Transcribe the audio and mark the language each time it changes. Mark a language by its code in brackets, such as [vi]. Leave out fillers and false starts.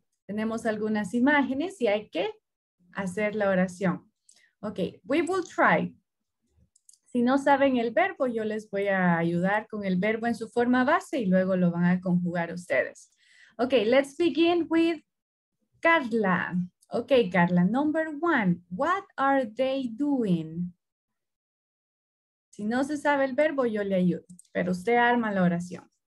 [es] Tenemos algunas imágenes y hay que hacer la oración. [en] Okay, we will try. [es] Si no saben el verbo, yo les voy a ayudar con el verbo en su forma base y luego lo van a conjugar ustedes. [en] Okay, let's begin with Carla. Okay, Carla, number one, what are they doing? [es] Si no se sabe el verbo, yo le ayudo, pero usted arma la oración.